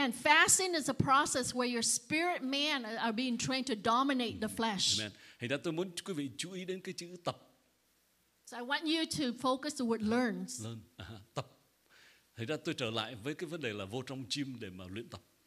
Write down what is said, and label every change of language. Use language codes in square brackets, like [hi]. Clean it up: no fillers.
[en] Again, fasting is a process where your spirit man are being trained to dominate the flesh. Amen. [vi] Thì đó tôi muốn quý vị chú ý đến cái chữ tập. [en] So I want you to focus the word learns. Learn. Tập. [vi] Thì đó tôi trở lại với cái vấn đề là vô trong gym để mà luyện tập.